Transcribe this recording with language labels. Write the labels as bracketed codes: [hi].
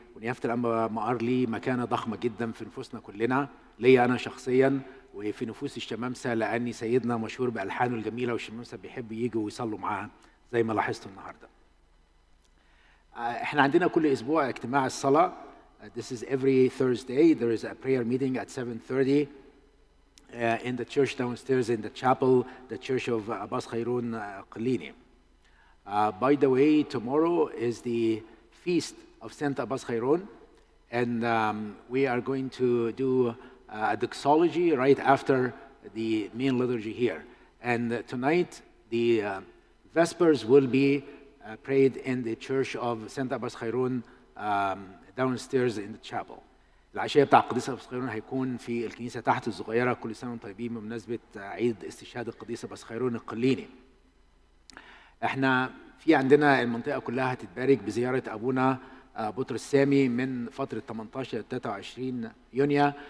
[ar] ونيافة الأنبا مقار ليه مكانة ضخمة جدا في نفوسنا كلنا لي أنا شخصيا وفي نفوس الشمامسة لأني سيدنا مشهور بألحانه الجميلة والشمامسة بيحب يجي ويصلوا معها زي ما لاحظتوا النهاردة. إحنا عندنا كل أسبوع اجتماع الصلاة. [en] This is every Thursday. There is a prayer meeting at 7:30 in the church downstairs in the chapel, the church of Abbas Khairun Qalini. By the way, tomorrow is the feast of Saint Abbas Khairun and we are going to do a doxology right after the main liturgy here. And tonight, the Vespers will be prayed in the church of Saint Abbas Khairun downstairs in the chapel. [ar] العشية بتاع قديس أباس خيرون هيكون في الكنيسة تحت الصغيرة كل سنة طيبين بمناسبة عيد استشهاد القديس أباس خيرون القليني. احنا في عندنا المنطقة كلها هتتبارك بزيارة أبونا بطرس سامي من فترة 18-23 يونيو.